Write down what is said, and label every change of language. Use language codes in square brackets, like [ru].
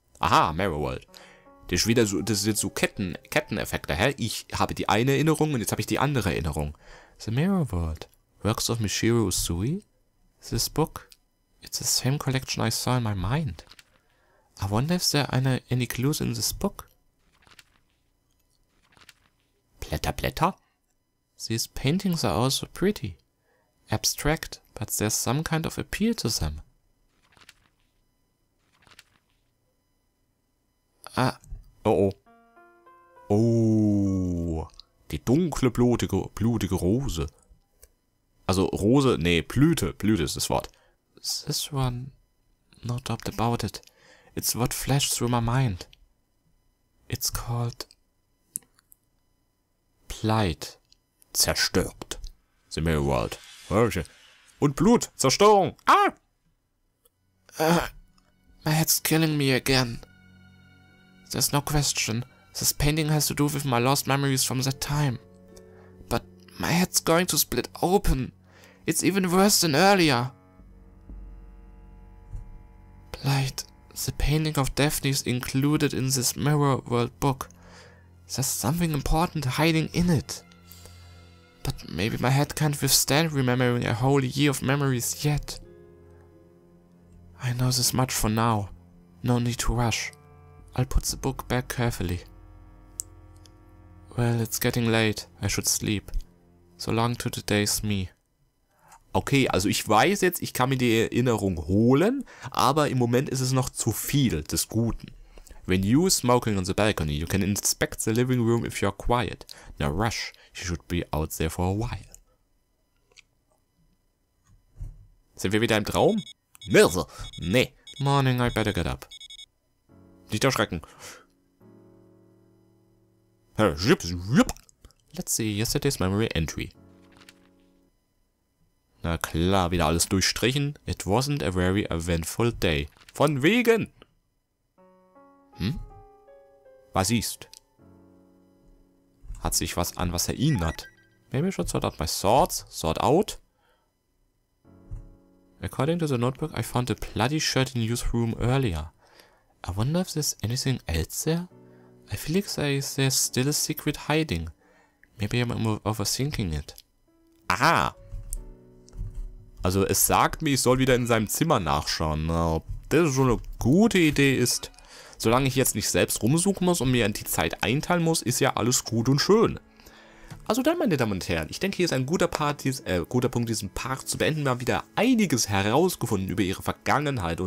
[en] Mirror World. [de] Das ist wieder so, das sind so Ketten-Effekte, hä? Ich habe die eine Erinnerung und jetzt habe ich die andere Erinnerung. [en] The Mirror World. Works of Mishiro Usui? This book? It's the same collection I saw in my mind. I wonder if there are any clues in this book? [de] Blätter, Blätter? [en] These paintings are also pretty. Abstract, but there's some kind of appeal to them. [de] Die dunkle, blutige Rose. Also Rose, nee, Blüte ist das Wort. [en] This one, no doubt about it. It's what flashed through my mind. It's called... Plight. [de] Zerstört. The Mirror World. Und Blut, Zerstörung. [en] My head's killing me again. There's no question. This painting has to do with my lost memories from that time. But my head's going to split open. It's even worse than earlier. Plight. The painting of Daphne is included in this Mirror World book. There's something important hiding in it. But maybe my head can't withstand remembering a whole year of memories yet. I know this much for now. No need to rush. I'll put the book back carefully. Well, it's getting late. I should sleep. So long to today's me. [de] Okay, also ich weiß jetzt, ich kann mir die Erinnerung holen, aber im Moment ist es noch zu viel des Guten. [en] When you are smoking on the balcony, you can inspect the living room if you're quiet. Now rush, you should be out there for a while. [de] Sind wir wieder im Traum? Nee. [en] Morning, I better get up. [de] Nicht erschrecken. [en] Let's see, yesterday's memory entry. [de] Na klar, wieder alles durchstrichen. [en] It wasn't a very eventful day. [de] Von wegen! Was ist? Hat sich was an, was erinnert? [en] Maybe I should sort out my thoughts. Sort out. According to the notebook, I found a bloody shirt in youth room earlier. I wonder if there's anything else there? I feel like there's still a secret hiding. Maybe I'm overthinking it. Aha! [de] Also es sagt mir, ich soll wieder in seinem Zimmer nachschauen. Na, ob das schon eine gute Idee ist. Solange ich jetzt nicht selbst rumsuchen muss und mir die Zeit einteilen muss, ist ja alles gut und schön. Also dann, meine Damen und Herren, ich denke, hier ist ein guter Punkt, diesen Part zu beenden. Wir haben wieder einiges herausgefunden über ihre Vergangenheit.